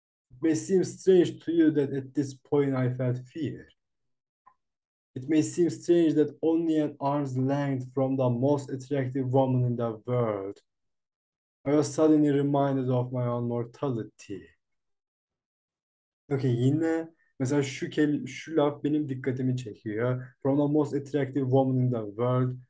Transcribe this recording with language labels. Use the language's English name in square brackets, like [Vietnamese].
[English] It may seem strange to you that at this point I felt fear. It may seem strange that only an arm's length from the most attractive woman in the world, I was suddenly reminded of my own mortality. [Turkish] Okay, yine mesela şu laf benim dikkatimi çekiyor. [English] From the most attractive woman in the world.